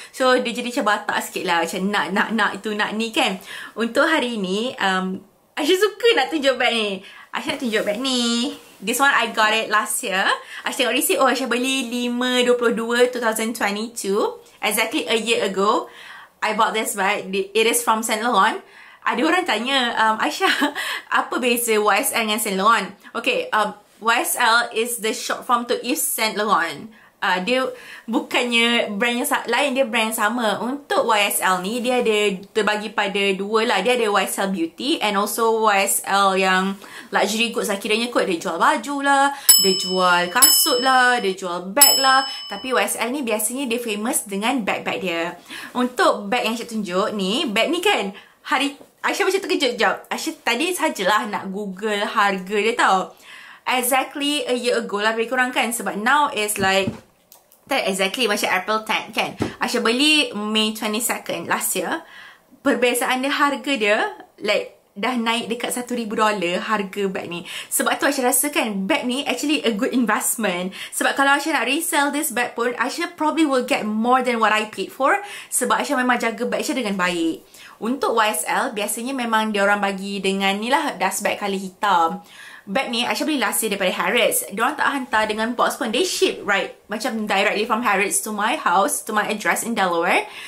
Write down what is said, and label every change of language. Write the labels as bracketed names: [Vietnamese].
[Malay] So, dia jadi macam batak sikit lah, macam nak itu, nak ni kan. Untuk hari ni, Aisyah suka nak tunjuk bag ni. Aisyah tunjuk bag ni. [English] This one I got it last year. [Malay] Aisyah tengok receipt. Oh, Aisyah beli 5/22/2022. [English] Exactly a year ago, I bought this bag. It is from Saint Laurent. [Malay] Ada orang tanya, Aisyah, apa beza YSL dengan Saint Laurent? [English] Okay, YSL is the short form to Yves Saint Laurent. [Malay] Dia bukannya brand yang lain, dia brand sama. Untuk YSL ni, dia ada terbagi pada dua lah. Dia ada YSL Beauty and also YSL yang luxury goods lah. Kiranya kot dia jual baju lah, dia jual kasut lah, dia jual bag lah. Tapi YSL ni biasanya dia famous dengan bag-bag dia. Untuk bag yang saya tunjuk ni, bag ni kan hari Aisyah macam terkejut jap. Aisyah tadi sajalah nak Google harga dia tau. [English] Exactly a year ago [Malay] lah, lebih kurang kan. Sebab now is like tak exactly macam April 10 kan. Aisyah beli May 22nd last year. Perbezaan dia harga dia like dah naik dekat $1,000 harga bag ni. Sebab tu Aisyah rasa kan bag ni [English] actually a good investment. [Malay] Sebab kalau Aisyah nak [English] resell this bag pun, Aisyah probably will get more than what I paid for. [Malay] Sebab Aisyah memang jaga bag Aisyah dengan baik. Untuk YSL, biasanya memang diorang bagi dengan ni lah dust bag colour hitam. Bag ni Aisyah beli last year daripada Harrods. Diorang tak hantar dengan box pun. [English] They ship right, macam directly from Harrods to my house, to my address in Delaware.